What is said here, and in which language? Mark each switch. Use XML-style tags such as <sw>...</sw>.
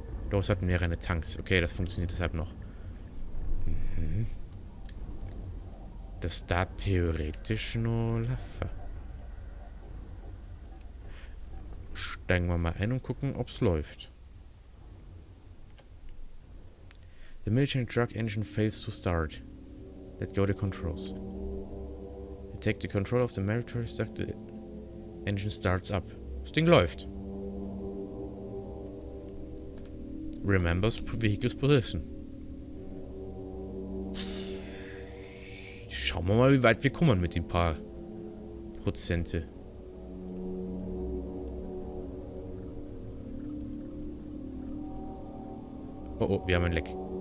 <de>Doch, es hat mehrere Tanks. Okay, das funktioniert deshalb noch. Das darf theoretisch nur laufen. Steigen wir mal ein und gucken, ob es läuft.</de> <en>The military truck engine fails to start. Let go the controls. You take the control of the military truck, the engine starts up.</en> <de>Das Ding läuft.</de> <en>Remembers vehicle's position.</en> <de>Schauen wir mal, wie weit wir kommen mit den paar Prozente. Oh, oh, wir haben ein Leck.</de>